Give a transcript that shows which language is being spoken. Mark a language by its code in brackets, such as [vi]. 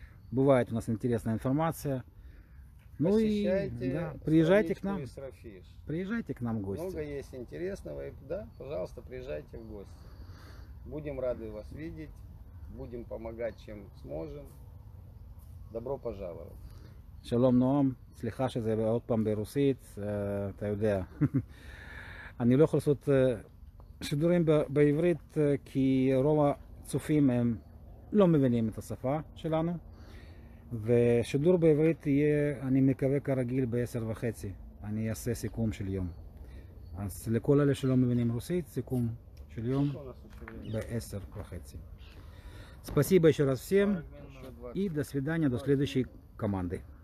[ru] Бывает у нас интересная информация. Ну посещайте, и да, приезжайте к нам. Приезжайте к нам в гости. Много есть интересного. И, да, пожалуйста, приезжайте в гости. Будем рады вас видеть. Будем помогать, чем сможем. Добро пожаловать. [he] Шалом ноам, слиха шезе עוד פעם ברוסית, אתה יודע. אני לא יכול לעשות שידורים בעברית כי רוב הצופים הם לא מבינים את השפה שלנו. ושידור בעברית יהיה, אני מקווה כרגיל, ב-10:30. אני אעשה סיכום של יום. אז לכל אלה שלא מבינים רוסית, סיכום של יום ב-10:30. [ru] Спасибо еще раз всем и до свидания, до следующей команды.